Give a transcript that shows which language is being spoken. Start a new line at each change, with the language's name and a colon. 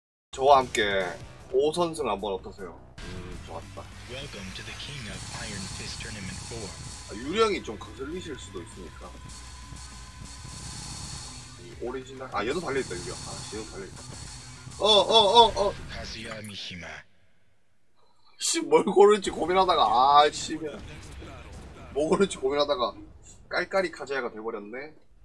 Korean: 저와 함께 5선승 한번 어떠세요? 좋았다.
English: Welcome to the King of Iron Fist Tournament 4.
Korean: 아, 유령이 좀 거슬리실 수도 있으니까. 이 오리지널. 아, 얘도 달려있다, 유령. 아, 얘도 달려있다. 카즈야미히마. 씨, 뭘 고를지 고민하다가, 아, 씨. 뭐 고를지 고민하다가, 깔깔이 카즈야가 돼버렸네.